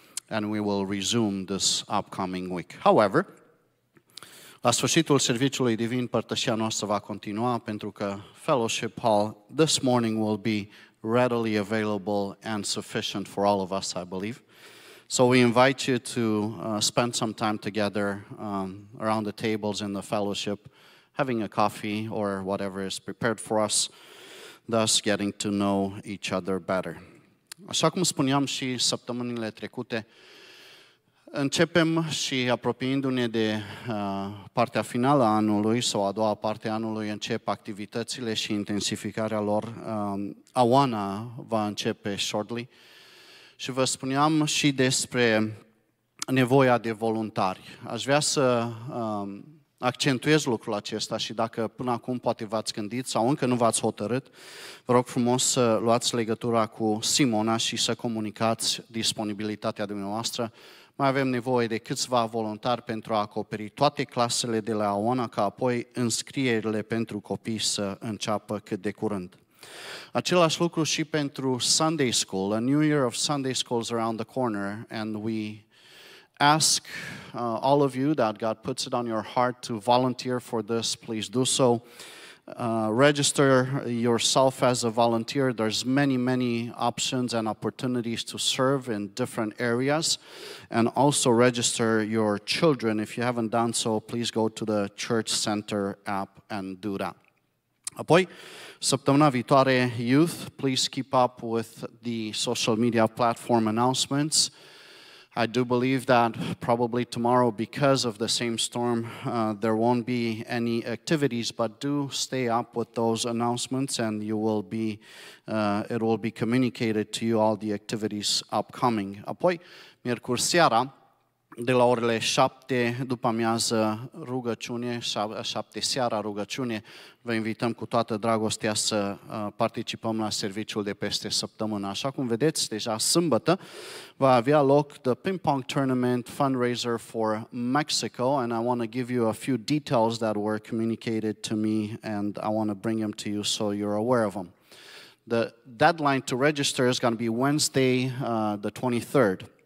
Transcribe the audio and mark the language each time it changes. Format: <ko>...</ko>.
<en>and we will resume this upcoming week. However,</en> <ro>la sfârșitul serviciului divin, părtășia noastră va continua pentru că</ro> <en>fellowship hall this morning will be readily available and sufficient for all of us, I believe. So we invite you to spend some time together around the tables in the fellowship, having a coffee or whatever is prepared for us, thus getting to know each other better.</en> <ro>Așa cum spuneam și săptămânile trecute, începem și apropiindu-ne de partea finală a anului sau a doua parte a anului, încep activitățile și intensificarea lor. Awana va începe</ro> <en>shortly.</en> <ro>Și vă spuneam și despre nevoia de voluntari. Aș vrea să accentuez lucrul acesta și dacă până acum poate v-ați gândit sau încă nu v-ați hotărât, vă rog frumos să luați legătura cu Simona și să comunicați disponibilitatea dumneavoastră. Mai avem nevoie de câțiva voluntari pentru a acoperi toate clasele de la Oana, ca apoi înscrierile pentru copii să înceapă cât de curând. Același lucru și pentru Sunday School.</ro> <en>A new year of Sunday School is around the corner, and we ask all of you that God puts it on your heart to volunteer for this. Please do so. Register yourself as a volunteer. There's many, many options and opportunities to serve in different areas. And also register your children. If you haven't done so, please go to the Church Center app and do that.</en> <ro>Apoi, săptămâna viitoare,</ro> <en>youth, please keep up with the social media platform announcements. I do believe that probably tomorrow, because of the same storm, there won't be any activities, but do stay up with those announcements and you will be, it will be communicated to you all the activities upcoming.</en> <ro>Apoi, miercuri seara, de la orele 7 după amiază rugăciune, 7 seara rugăciune, vă invităm cu toată dragostea să participăm la serviciul de peste săptămână. Așa cum vedeți, deja sâmbătă va avea loc</ro> <en>the ping pong tournament fundraiser for Mexico, and I want to give you a few details that were communicated to me and I want to bring them to you so you're aware of them. The deadline to register is going to be Wednesday the 23rd.</en>